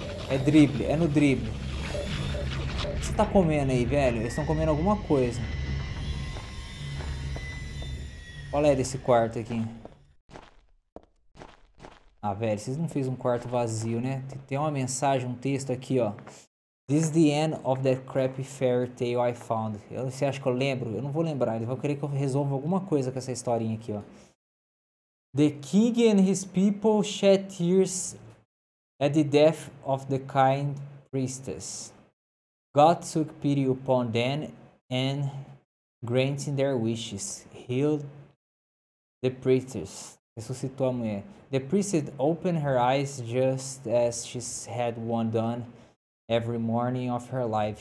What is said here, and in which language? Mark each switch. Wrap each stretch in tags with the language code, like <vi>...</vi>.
<pt>É drible, é no drible. O que você tá comendo aí, velho? Eles estão comendo alguma coisa. Qual é desse quarto aqui? Ah, velho, vocês não fez um quarto vazio, né? Tem uma mensagem, um texto aqui, ó.</pt> <en>This is the end of that crappy fairy tale I found.</en> <pt>Você acha que eu lembro? Eu não vou lembrar. Eles vão querer que eu resolva alguma coisa com essa historinha aqui, ó.</pt> <en>The king and his people shed tears... At the death of the kind priestess, God took pity upon them and granted their wishes, healed the priestess,</en> <pt>ressuscitou a mulher.</pt> <en>The priestess opened her eyes just as she had one done every morning of her life.</en>